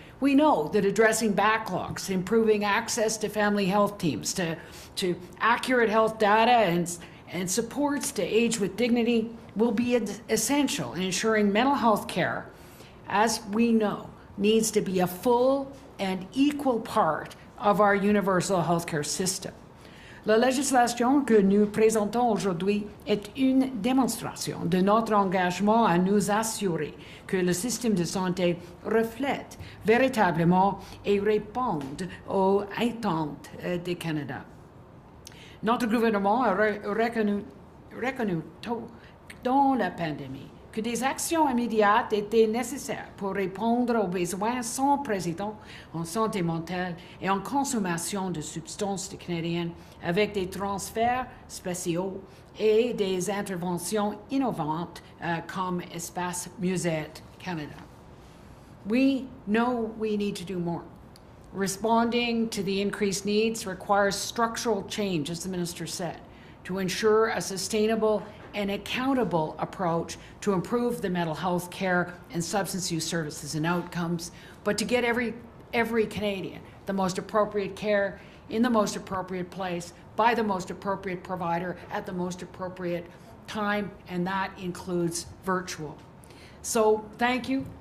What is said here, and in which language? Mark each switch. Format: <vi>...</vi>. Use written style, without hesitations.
<en>We know that addressing backlogs, improving access to family health teams, to accurate health data and supports to age with dignity will be essential in ensuring mental health care, as we know, needs to be a full and equal part of our universal health care system.</en> <fr>La législation que nous présentons aujourd'hui est une démonstration de notre engagement à nous assurer que le système de santé reflète véritablement et réponde aux attentes du Canada. Notre gouvernement a reconnu tôt dans la pandémie que des actions immédiates étaient nécessaires pour répondre aux besoins sans précédent en santé mentale et en consommation de substances canadiennes avec des transferts spéciaux et des interventions innovantes comme Espace Musette Canada.</fr> <en>We know we need to do more. Responding to the increased needs requires structural change, as the minister said, to ensure a sustainable and accountable approach to improve the mental health care and substance use services and outcomes, but to get every Canadian the most appropriate care in the most appropriate place by the most appropriate provider at the most appropriate time, and that includes virtual. So thank you</en>